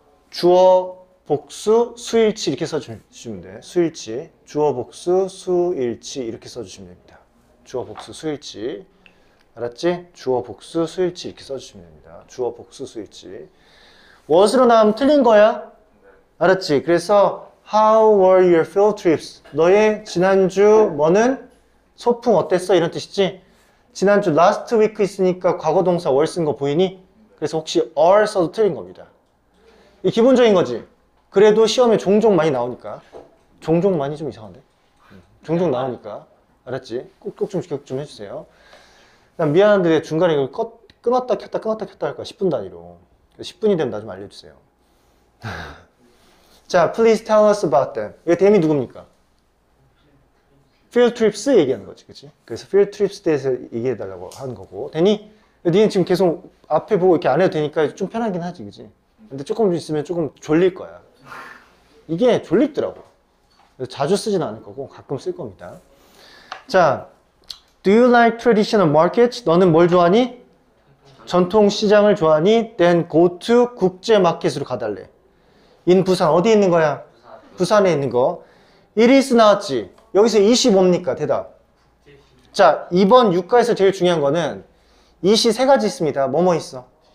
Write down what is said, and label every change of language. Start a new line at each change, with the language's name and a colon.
Korean: 주어, 복수, 수일치 이렇게 써주시면 돼. 수일치. 주어, 복수, 수일치 이렇게 써주시면 됩니다. 주어, 복수, 수일치. 알았지? 주어, 복수, 수일치 이렇게 써주시면 됩니다. 주어, 복수, 수일치. was로 나오면 틀린 거야. 알았지? 그래서
English: how were your field trips?
Korean: 너의 지난주 뭐는? 소풍 어땠어? 이런 뜻이지? 지난주
English: last week
Korean: 있으니까 과거 동사 were 쓴거 보이니? 그래서 혹시 are 써도 틀린 겁니다. 이게 기본적인 거지. 그래도 시험에 종종 많이 나오니까. 종종 많이 좀 이상한데? 종종 나오니까. 알았지? 꼭꼭 좀 기억 좀 해주세요. 난 미안한데 중간에 이걸 끊었다 켰다 끊었다 켰다 할 거야. 10분 단위로. 10분이 되면 나좀 알려주세요. 자,
English: please tell us about them.
Korean: 이거 데미 누굽니까? Field trips 얘기하는 거지. 그치? 그래서 field trips 대해서 얘기해달라고 하는 거고. 데니? 니는 지금 계속 앞에 보고 이렇게 안 해도 되니까 좀 편하긴 하지, 그지? 근데 조금 있으면 조금 졸릴 거야. 이게 졸립더라고. 자주 쓰진 않을 거고 가끔 쓸 겁니다. 자,
English: Do you like traditional markets?
Korean: 너는 뭘 좋아하니? 전통 시장을 좋아하니?
English: Then go to
Korean: 국제 마켓으로 가달래. In 부산, 어디 있는 거야? 부산에 있는 거.
English: It is
Korean: 나왔지? 여기서 is 뭡니까? 대답. 자, 이번 6과에서 제일 중요한 거는 이시 세 가지 있습니다. 뭐뭐 있어?